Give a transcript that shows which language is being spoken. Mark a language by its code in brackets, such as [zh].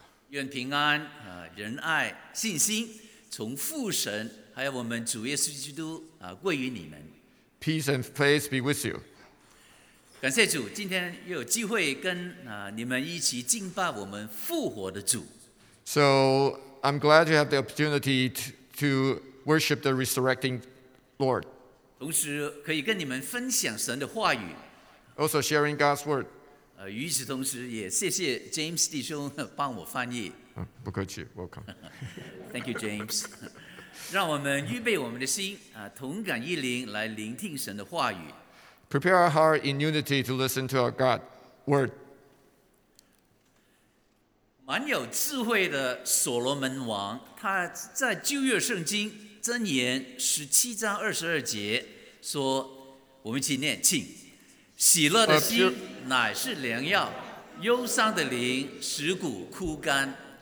[zh] 愿平安、仁爱信心从父神还有我们主耶稣基督、归于你们 [en] Peace and praise be with you [zh] 感谢主今天又有机会跟、你们一起敬拜我们复活的主 [en] So I'm glad you have the opportunity to worship the resurrecting Lord [zh] 同时可以跟你们分享神的话语 [en] Also sharing God's word. [zh] 与此同时也谢谢 James 弟兄帮我翻译。不客气 , [en] Welcome. Thank you, James. [zh] 让我们预备我们的心同感一灵来聆听神的话语。 [en] Prepare our heart in unity to listen to our God's word. [zh] 蛮有智慧的所罗门王他在旧约圣经箴言十七章二十二节说我们一起念请。喜乐的心乃是良药，忧伤的灵使骨枯干。